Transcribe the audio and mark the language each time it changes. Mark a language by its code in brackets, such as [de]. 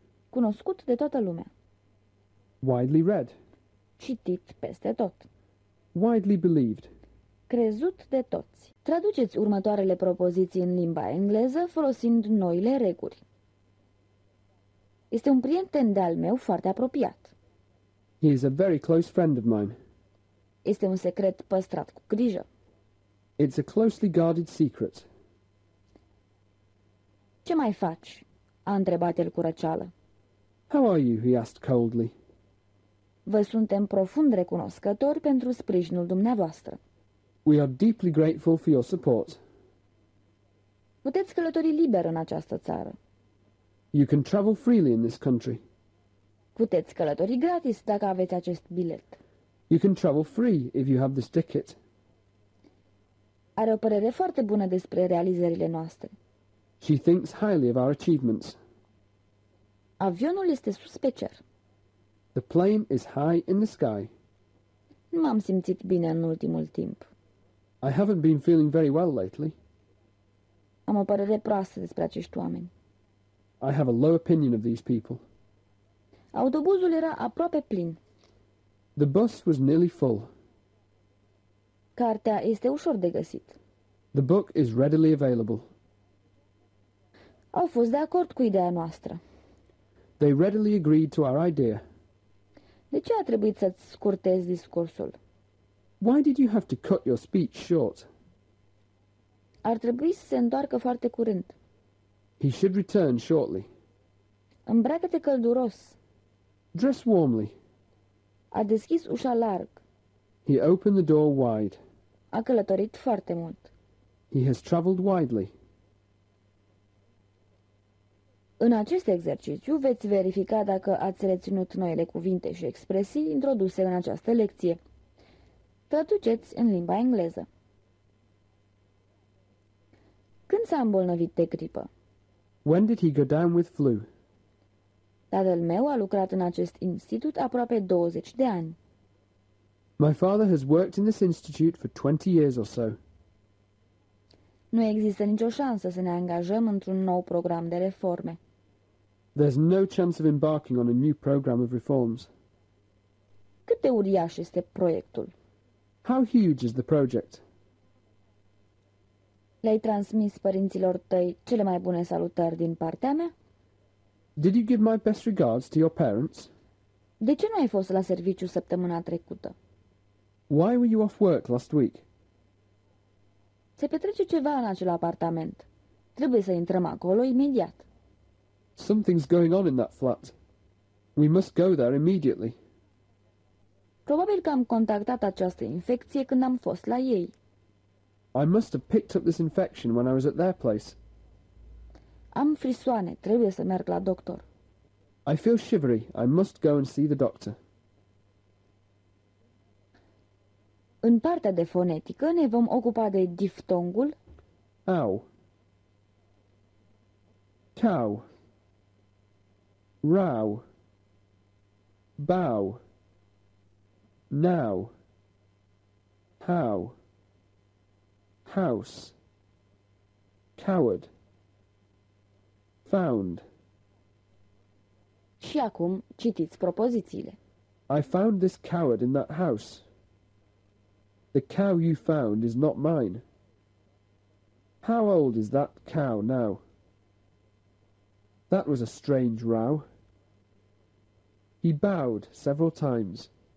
[ro] Cunoscut de toată lumea. [en] Widely read. [ro] Citit peste tot. [en] Widely believed. [ro] Crezut de toți. Traduceți următoarele propoziții în limba engleză folosind noile reguli. Este un prieten de-al meu foarte apropiat. [en] He is a very close friend of mine. [ro] Este un secret păstrat cu grijă. [en] It's a closely guarded secret. [ro] Ce mai faci? A întrebat el cu răceală. [en] How are you? He asked coldly. [ro] Vă suntem profund recunoscători pentru sprijinul dumneavoastră. [en] We are deeply grateful for your support. [ro] Puteți călători liber în această țară. [en] You can travel freely in this country. [ro] Puteți călători gratis dacă aveți acest bilet. [en] You can travel free if you have this ticket. [ro] Are o părere foarte bună despre realizările noastre. [en] She thinks highly of our achievements. [ro] Avionul este sus pe cer. [en] The plane is high in the sky. [ro] Nu m-am simțit bine în ultimul timp. [en] I haven't been feeling very well lately. [ro] Am o părere proastă despre acești oameni. [en] I have a low opinion of these people. [ro] Autobuzul era aproape plin. [en] The bus was nearly full. [ro] Cartea este ușor de găsit. [en] The book is readily available. [ro] Au fost de acord cu ideea noastră. [en] They readily agreed to our idea. [ro] De ce a trebuit să-ți scurtezi discursul? [en] Why did you have to cut your speech short? [ro] Ar trebui să se întoarcă foarte curând. [en] He should return shortly. [ro] Îmbracă-te călduros. [en] Dress warmly. [ro] A deschis ușa larg. [en] He opened the door wide. [ro] A călătorit foarte mult. [en] He has traveled widely. [ro] În acest exercițiu veți verifica dacă ați reținut noile cuvinte și expresii introduse în această lecție. Traduceți în limba engleză. Când s-a îmbolnăvit de gripă? [en] When did he go down with flu? [ro] Tatăl meu a lucrat în acest institut aproape 20 de ani. [en] My father has worked in this institute for 20 years or so. [ro] Nu există nicio șansă să ne angajăm într-un nou program de reforme. [en] There's no chance of embarking on a new program of reforms. [ro] Cât de uriaș este proiectul? [en] How huge is the project? [ro] Le-ai transmis părinților tăi cele mai bune salutări din partea mea? [en] Did you give my best regards to your parents? [ro] De ce nu ai fost la serviciu săptămâna trecută? [en] Why were you off work last week? [ro] Se petrece ceva în acel apartament. Trebuie să intrăm acolo imediat. [en] Something's going on in that flat. We must go there immediately. [ro] Probabil că am contactat această infecție când am fost la ei. [en] I must have picked up this infection when I was at their place. [ro] Am frisoane, trebuie să merg la doctor. [en] I feel shivery, I must go and see the doctor. [ro] În partea de fonetică ne vom ocupa de diftongul [en] au, cau, rau, bau, now, how, house, coward, found. [ro] Și acum citiți propozițiile. [en] I found this coward in that house. The cow you found is not mine. How old is that cow now? That was a strange row. He bowed several times.